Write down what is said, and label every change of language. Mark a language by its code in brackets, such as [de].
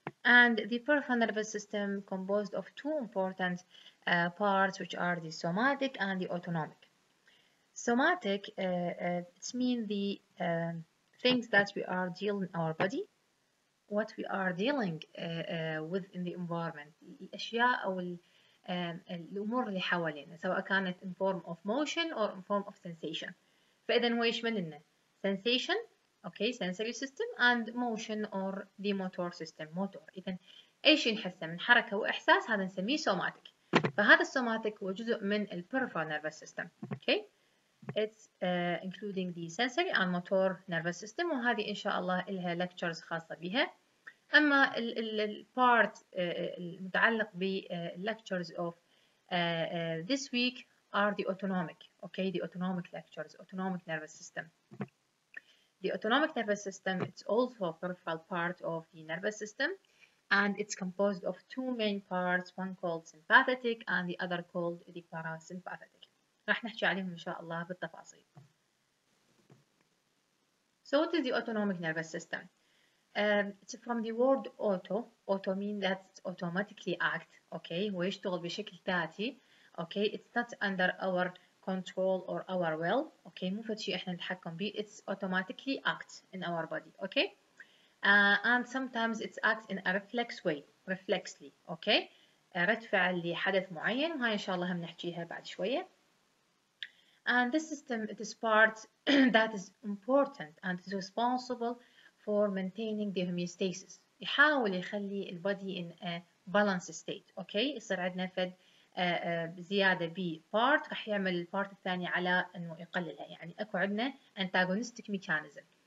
[en] And the peripheral nervous system composed of two important parts, which are the somatic and the autonomic. Somatic, it means the things that we are dealing in our body, what we are dealing with in the environment. [ar] الأشياء أو الأمور اللي حوالينا, سواء كانت [en] in form of motion or in form of sensation. [ar] فإذا هو يشمل لنا [en] sensation, okay, sensory system and motion or the motor system, motor. [ar] إذا إيش نحسه من حركة وإحساس هذا نسميه somatic. فهذا الصوماتيك هو جزء من الـ [en] peripheral nervous system, okay? It's including the sensory and motor nervous system, [ar] وهذه إن شاء الله إلها lectures خاصة بها. أما الـ part المتعلق بالـ [en] lectures of this week are the autonomic, okay? The autonomic lectures, autonomic nervous system. The autonomic nervous system, it's also a peripheral part of the nervous system. And it's composed of two main parts, one called sympathetic and the other called the parasympathetic. [ar] راح نحكي عليهم إن شاء الله بالتفاصيل. [en] So what is the autonomic nervous system? It's from the word auto. Auto means that it's automatically act, okay? [ar] هو يشتغل بشكل ذاتي, [en] okay? It's not under our control or our will, okay? [ar] مو فد شيء إحنا نتحكم به. [en] It's automatically act in our body, okay? And sometimes it acts in a reflex way, reflexly, okay? [ar] رد فعل لحدث معين, وهي إن شاء الله هم نحكيها بعد شوية. [en] And this system, it is part that is important and is responsible for maintaining the homeostasis. [ar] يحاول يخلي البادي [en] in a balanced state, okay? [ar] يصير عندنا فد زيادة بـ part, رح يعمل البارت الثاني على إنه يقللها, يعني أكو عندنا antagonistic mechanism.